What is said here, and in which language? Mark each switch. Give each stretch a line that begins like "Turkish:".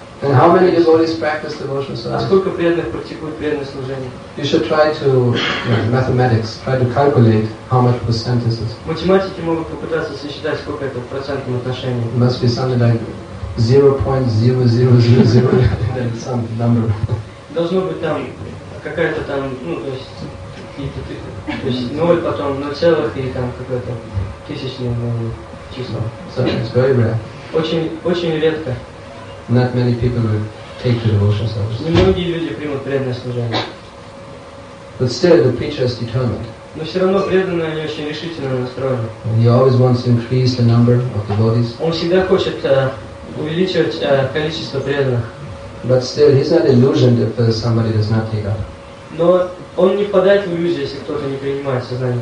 English: And how many devotees practice devotional service?
Russian: А сколько преданных практикует преданное служение?
English: You should try to, you know, mathematics, try to calculate how much percent this is.
Russian: Математики могут попытаться сосчитать, сколько это в процентном отношении.
English: It must be something like 0.0000 some number.
Russian: Должно быть там какая-то там, ну, то есть какие-то, то есть ноль, потом ноль целых и там какое-то тысячное, ну, число.
English: So it's very rare.
Russian: Очень редко.
English: Not many people will take to devotional service.
Russian: Немногие люди примут преданное служение.
English: But still, the preacher is determined.
Russian: Но все равно преданные, они очень решительно настроены.
English: And he always wants to increase the number of devotees.
Russian: Он всегда хочет увеличивать количество преданных.
English: But still, he's not illusioned if somebody does not take up.
Russian: Но он не впадает в иллюзию, если кто-то не принимает сознание